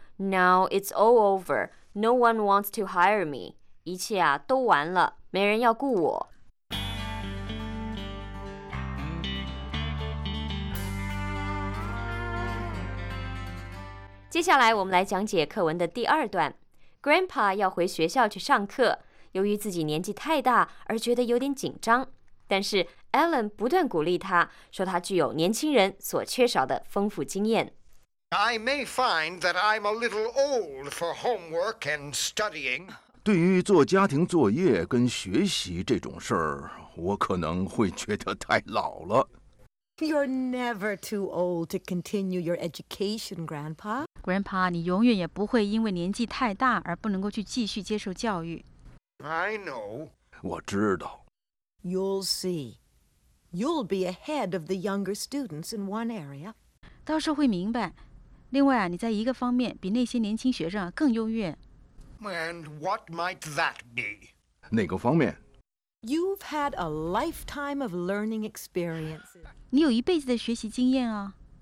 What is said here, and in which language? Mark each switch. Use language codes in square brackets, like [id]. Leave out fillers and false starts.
[en] Now it's all over No one wants to hire me [zh] 一切啊都完了没人要雇我接下来我们来讲解课文的第二段。 Grandpa 要回学校去上课，由于自己年纪太大而觉得有点紧张。但是 Ellen 不断鼓励他，说他具有年轻人所缺少的丰富经验。 [en] I may find that I'm a little old for homework and studying. [zh] 对于做家庭作业跟学习这种事儿，我可能会觉得太老了。 [en] You're never too old to continue your education, Grandpa. [zh] Grandpa, 你永远也不会因为年纪太大而不能够去继续接受教育。 [en] I know. [zh] 我知道。 [en] You'll see. You'll be ahead of the younger students in one area. [zh] 到时候会明白。另外啊，你在一个方面比那些年轻学生更优越。 [en] And what might that be? [zh] 哪个方面？ [en] You've had a lifetime of learning experiences. [zh] 你有一辈子的学习经验啊。